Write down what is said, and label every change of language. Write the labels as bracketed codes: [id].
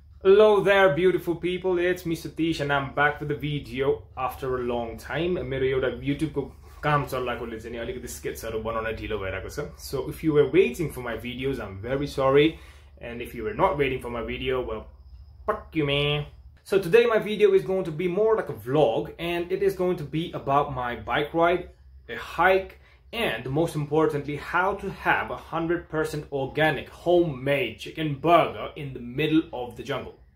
[en] Hello there, beautiful people. It's me Satish and I'm back with a video after a long time. [ne] मेरो एउटा YouTube को काम चल्लाकोले चाहिँ अलिकति स्केचहरु बनाउन ढिलो भइराको छ. [en] So if you were waiting for my videos, I'm very sorry. And if you were not waiting for my video, well, fuck you, man. So today my video is going to be more like a vlog and it is going to be about my bike ride, a hike, and most importantly, how to have a 100% organic homemade chicken burger in the middle of the jungle.